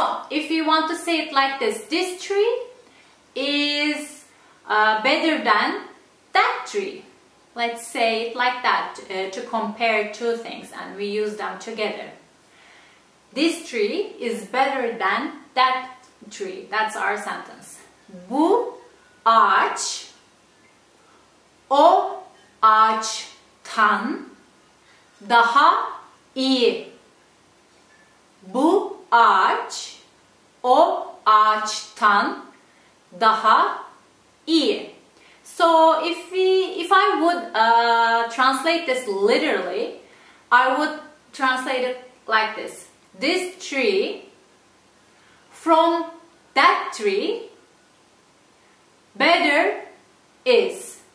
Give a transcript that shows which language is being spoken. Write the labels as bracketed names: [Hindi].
[English] If you want to say it like this, this tree is better than that tree. Let's say it like that to compare two things and we use them together. This tree is better than that tree. That's our sentence. [Turkish] Bu ağaç o ağaçtan daha iyi. Bu ağaç o ağaçtan daha iyi. [English] So if I would translate this literally, I would translate it like this. This tree from that tree better is.